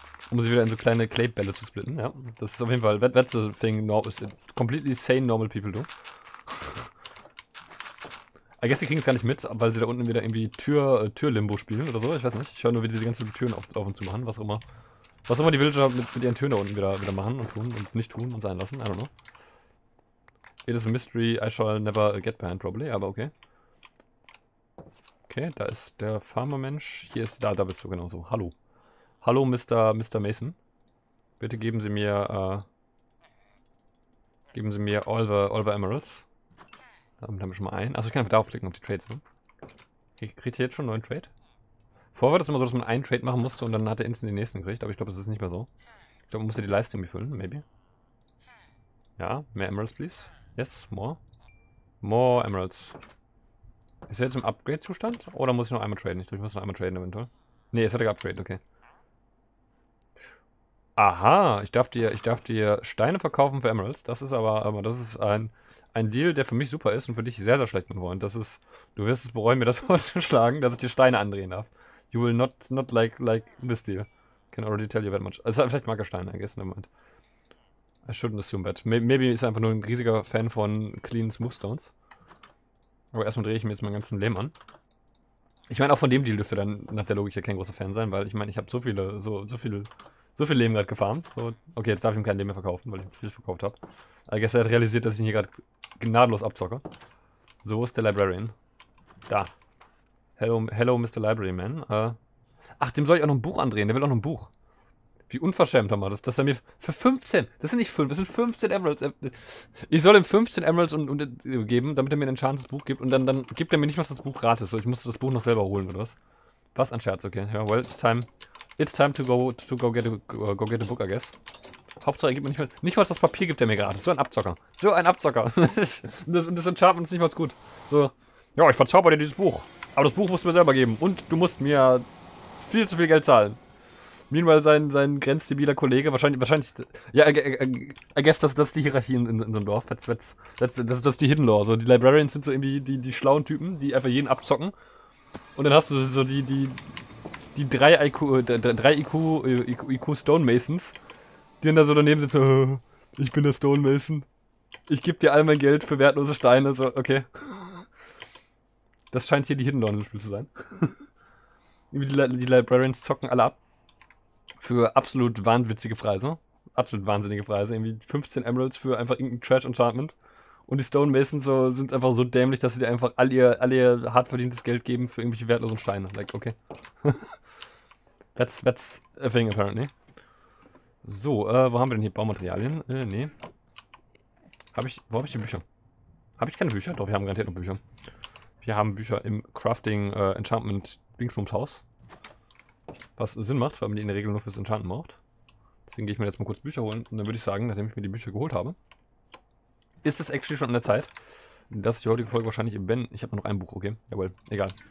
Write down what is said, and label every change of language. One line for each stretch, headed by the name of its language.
German: Um sie wieder in so kleine Claybälle zu splitten, ja. Das ist auf jeden Fall,
English: that's a thing, completely sane normal people do. I guess
German: die kriegen es gar nicht mit, weil sie da unten wieder irgendwie Tür-Limbo spielen oder so, ich weiß nicht. Ich höre nur, wie sie die ganzen Türen auf und zu machen, was auch immer. Was auch immer die Villager mit ihren Türen da unten wieder machen und tun und nicht tun und sein lassen,
English: I don't know. It is a mystery I shall never get behind, probably,
German: aber okay. Okay, da ist der Farmer-Mensch, hier ist, da bist du, genau so, hallo. Hallo, Mr. Mason. Bitte geben Sie mir Geben Sie mir
English: all the Emeralds.
German: Damit haben wir schon mal einen. Achso, ich kann einfach darauf klicken, auf die Trades, ne? Ich kriege hier jetzt schon einen neuen Trade. Vorher war das immer so, dass man einen Trade machen musste und dann hat er instant den nächsten gekriegt. Aber ich glaube, es ist nicht mehr so. Ich glaube, man musste die Leistung befüllen, maybe. Ja, mehr Emeralds, please.
English: Yes, more. More Emeralds.
German: Ist er jetzt im Upgrade-Zustand? Oder muss ich noch einmal traden? Ich glaube, ich muss noch einmal traden eventuell. Ne, jetzt hat er geupgradet, okay. Aha, ich darf dir Steine verkaufen für Emeralds. Das ist aber das ist ein Deal, der für mich super ist und für dich sehr, sehr schlecht, mein Freund. Das ist, du wirst es bereuen, mir das vorzuschlagen, dass ich dir Steine andrehen darf.
English: You will not like this deal. Can already tell you that much.
German: Also vielleicht mag er Steine,
English: I guess, nevermind. I shouldn't assume that.
German: Maybe ist er einfach nur ein riesiger Fan von clean Smooth Stones. Aber erstmal drehe ich mir jetzt meinen ganzen Lehm an. Ich meine, auch von dem Deal dürfte dann nach der Logik ja kein großer Fan sein, weil ich meine, ich habe so viel Leben gerade gefarmt. So, okay, jetzt darf ich ihm kein Leben mehr verkaufen, weil ich viel verkauft habe. Aber gestern hat er realisiert, dass ich ihn hier gerade gnadenlos abzocke. So ist der Librarian. Da.
English: Hello, Mr. Library Man.
German: Ach, dem soll ich auch noch ein Buch andrehen. Der will auch noch ein Buch. Wie unverschämt haben wir das, dass er mir für 15, das sind nicht 5, das sind 15 Emeralds. Ich soll ihm 15 Emeralds geben, damit er mir ein enchantetes Buch gibt. Und dann gibt er mir nicht mal das Buch gratis. So, ich musste das Buch noch selber holen oder was? Was ein Scherz, okay.
English: Ja, well, it's time to go get a book, I guess.
German: Hauptsache, er gibt mir nicht mal das Papier gibt er mir gratis. So ein Abzocker. So ein Abzocker. Und das Enchantment ist nicht mal gut. So, ja, ich verzauber dir dieses Buch. Aber das Buch musst du mir selber geben. Und du musst mir viel zu viel Geld zahlen. Meanwhile, sein grenzdebiler Kollege, wahrscheinlich, ja,
English: I guess,
German: das ist die Hierarchie in so einem Dorf. Das ist die Hidden Lore. So, die Librarians sind so irgendwie die schlauen Typen, die einfach jeden abzocken. Und dann hast du so die drei IQ, drei IQ Stone Masons, die dann da so daneben sitzen. So, ich bin der Stone Mason. Ich gebe dir all mein Geld für wertlose Steine. So, okay. Das scheint hier die Hidden Lore im Spiel zu sein. Die Librarians zocken alle ab. Für absolut wahnwitzige Preise. Absolut wahnsinnige Preise. Irgendwie 15 Emeralds für einfach irgendein Trash-Enchantment. Und die Stone Masons so, sind einfach so dämlich, dass sie dir einfach all ihr hart verdientes Geld geben für irgendwelche wertlosen Steine.
English: Like, okay. That's a thing, apparently.
German: So, wo haben wir denn hier Baumaterialien? Nee. Wo habe ich die Bücher? Habe ich keine Bücher? Doch, wir haben garantiert noch Bücher. Wir haben Bücher im Crafting-Enchantment-Dingsbums-Haus. Was Sinn macht, weil man die in der Regel nur fürs Enchanten braucht. Deswegen gehe ich mir jetzt mal kurz Bücher holen und dann würde ich sagen, nachdem ich mir die Bücher geholt habe, ist es actually schon an der Zeit, dass ich die heutige Folge wahrscheinlich eben bin. Ich habe nur noch ein Buch, okay? Jawohl, egal.